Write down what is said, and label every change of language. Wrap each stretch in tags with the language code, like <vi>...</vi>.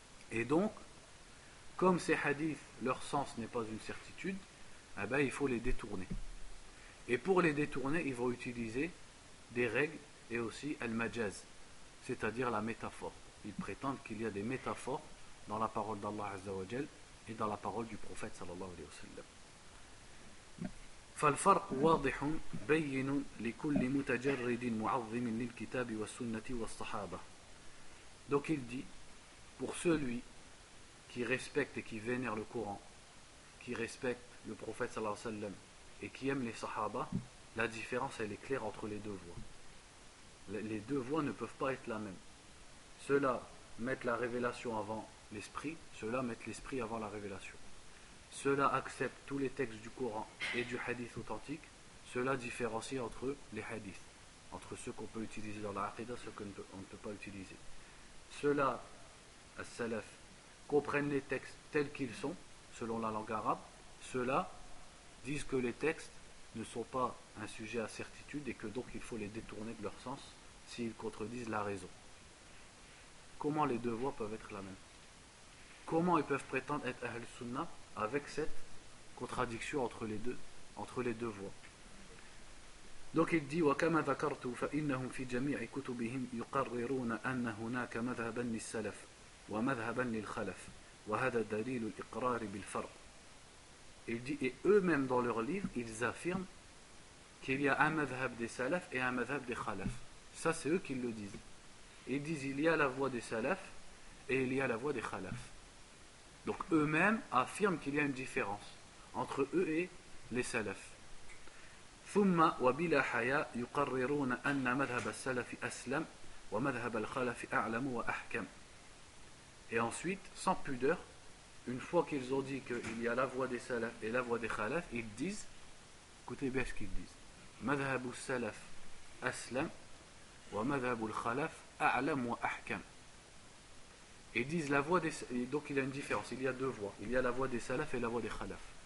<fr>Et donc, comme ces hadiths, leur sens n'est pas une certitude, eh ben, il faut les détourner. Et pour les détourner, ils vont utiliser des règles et aussi al-majaz, c'est-à-dire la métaphore. Ils prétendent qu'il y a des métaphores dans la parole d'Allah Azza wa Jal et dans la parole du prophète sallallahu alayhi wa sallam.</fr> <ar>فالفرق واضح بين لكل متجرد معظم للكتاب والسنة والصحابة.</ar> <fr>Donc il dit, pour celui qui respecte et qui vénère le Coran, qui respecte le prophète sallallahu alayhi wa sallam et qui aime les sahaba, la différence elle est claire entre les deux voies. Les deux voies ne peuvent pas être la même. Ceux-là mettent la révélation avant l'esprit, ceux-là mettent l'esprit avant la révélation. Ceux-là acceptent tous les textes du Coran et du hadith authentique, ceux-là différencient entre eux les hadiths. entre ce qu'on peut utiliser dans la aqidah, ce qu'on ne peut pas utiliser. Ceux-là, as-salaf, comprennent les textes tels qu'ils sont, selon la langue arabe. Ceux-là disent que les textes ne sont pas un sujet à certitude et que donc il faut les détourner de leur sens s'ils contredisent la raison. Comment les deux voies peuvent être la même? Comment ils peuvent prétendre être Ahl Sunnah avec cette contradiction entre les deux voies? Donc il dit</fr> <ar>وَكَمَا ذَكَرْتُ فَإِنَّهُمْ فِي جَمِيعِ كُتُبِهِمْ يُقَرِّرُونَ أَنَّ هُنَاكَ مَذْهَبًا لِلسَّلَفِ وَمَذْهَبًا لِلْخَلَفِ وَهَذَا دَلِيلُ الْإِقْرَارِ بِالْفَرْقِ.</ar> <fr>Il dit, et eux-mêmes dans leur livre, ils affirment qu'il y a un madhhab des salafs et un madhhab des khalafs. Ça, c'est eux qui le disent. Ils disent, il y a la voie des salafs et il y a la voie des khalafs. Donc eux-mêmes affirment qu'il y a une différence entre eux et les salafs.</fr> <ar>ثم وبلا حياء يقررون أن مذهب السلف أسلم ومذهب الخلف أعلم وأحكم.</ar> <fr>Et ensuite, sans pudeur, une fois qu'ils ont dit qu'il y a la voie des salaf et la voie des khalaf, ils disent, écoutez bien ce qu'ils disent,</fr> <ar>مذهب السلف أسلم ومذهب الخلف أعلم وأحكم.</ar> <fr>Ils disent la voie des salaf, donc il y a une différence, il y a deux voies, il y a la voie des salaf et la voie des khalaf.</fr>